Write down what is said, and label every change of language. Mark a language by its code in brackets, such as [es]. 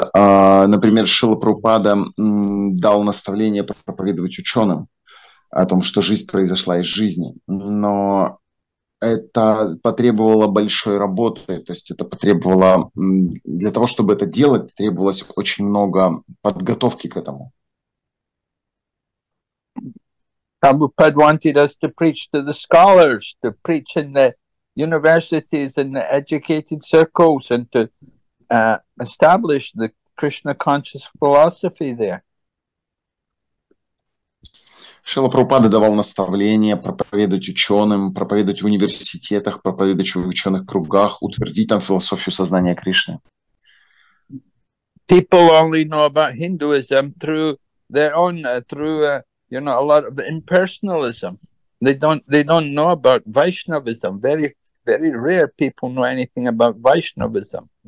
[ru] Например, Шрила Прабхупада дал наставление проповедовать ученым о том, что жизнь произошла из жизни. Но это потребовало большой работы. То есть это потребовало... Для того, чтобы это делать, требовалось очень много подготовки к этому. [en] Prabhupada wanted us to preach to the scholars, to preach in the universities, in the educated circles, and to establish the Krishna conscious philosophy there. [ru] Шрила Прабхупада давал наставления проповедовать ученым, проповедовать в университетах, проповедовать в ученых кругах, утвердить там философию сознания Кришны. [en] People only know about Hinduism through their own you know, a lot of impersonalism. They don't know about Vaishnavism. Very, very rare people know anything about Vaishnavism.